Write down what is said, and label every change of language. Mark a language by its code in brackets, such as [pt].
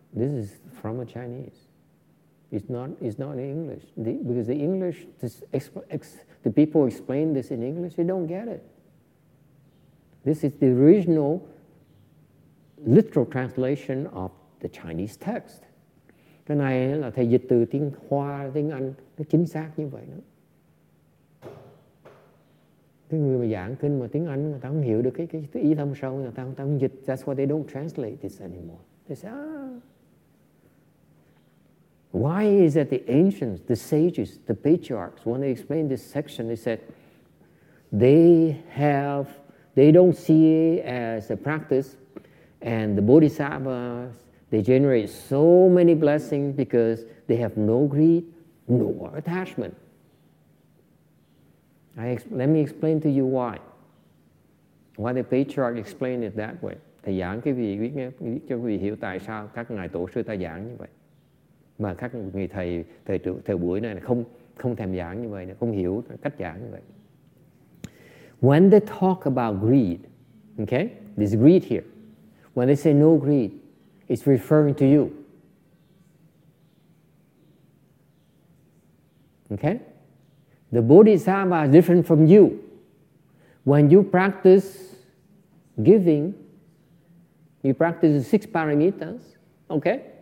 [en] This is from a Chinese. It's not in English. The people explain this in English, they don't get it. This is the original literal translation of the Chinese text. [vi] Cái này là thầy dịch từ tiếng Hoa, tiếng Anh, nó chính xác như vậy đó. Cái người mà giảng kinh mà tiếng Anh người ta không hiểu được cái ý thâm sâu, người ta không dịch. [en] That's why they don't translate this anymore. They say, ah. Why is that the ancients, the sages, the patriarchs, when they explain this section, they said, they don't see it as a practice, and the bodhisattvas, they generate so many blessings because they have no greed, no attachment. Let me explain to you why the patriarch explained it that way. [vi] Thầy giảng cái vị biết nghe, biết cho quý vị hiểu tại sao các ngài tổ sư ta giảng như vậy, mà các người thầy buổi này không thèm giảng như vậy, không hiểu cách giảng như vậy. [en] When they talk about greed, okay, this greed here, when they say no greed, it's referring to you, okay. The bodhisattva is different from you. When you practice giving, you practice the six parameters, okay?